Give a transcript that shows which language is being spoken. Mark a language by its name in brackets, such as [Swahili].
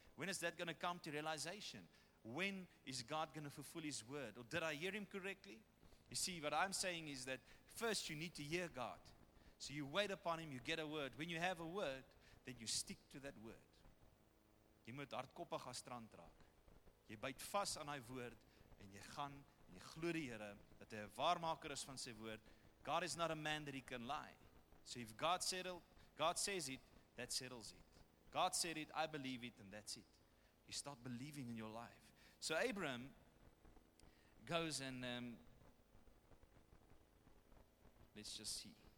[English] When is that going to come to realization? When is God going to fulfill his word? Or did I hear him correctly? You see, what I'm saying is that first you need to hear God. So you wait upon him, you get a word. When you have a word, then you stick to that word. [Afrikaans] Jy moet hardkoppig as strand raak. Jy byt vas aan hy woord. En jy gaan, en jy glo die Here, dat hy 'n waarmaker is van sy woord. [English] God is not a man that he can lie. So if God says it, that settles it. God said it, I believe it, and that's it. You start believing in your life. So Abraham goes and, let's just see.